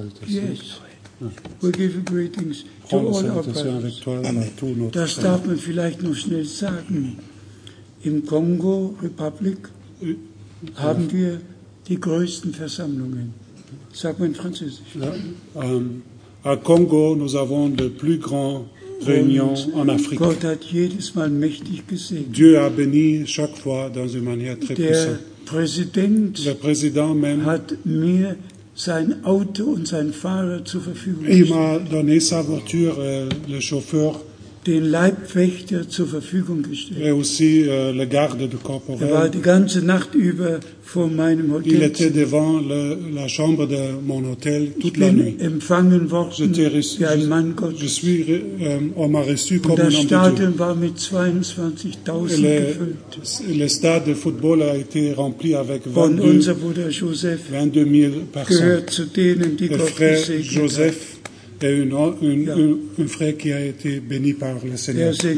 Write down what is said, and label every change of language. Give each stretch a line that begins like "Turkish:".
English: Yes, we give you greetings to all our brothers.
German: Das darf man vielleicht noch schnell sagen. Im Kongo Republic haben wir die größten Versammlungen. Sag mal in Französisch.
French: À Congo, nous avons le plus grand Réunions en Afrique.
German: Gott hat jedes Mal mächtig gesehen.
French: Dieu a béni chaque fois dans une manière très puissante.
German: Der Präsident
French: même
German: hat mir sein Auto und sein Fahrer zur Verfügung gestellt.
French: Il m'a donné sa voiture, le chauffeur.
German: Den Leibwächter zur Verfügung gestellt.
French: Et aussi le garde de corporel.
German: Er war die ganze Nacht über vor meinem Hotel.
French: Il était devant la chambre de mon hôtel toute la nuit.
German: Empfangen worden wie ein Mann Gottes.
French: On m'a reçu comme un homme de Dieu.
German: Das Stadion war mit 22.000 gefüllt.
French: Le stade de football a été rempli avec 22.000 personnes.
German: Gehört zu denen, die Gott gesegnet hat.
French: Et un frère qui a été béni par le Seigneur.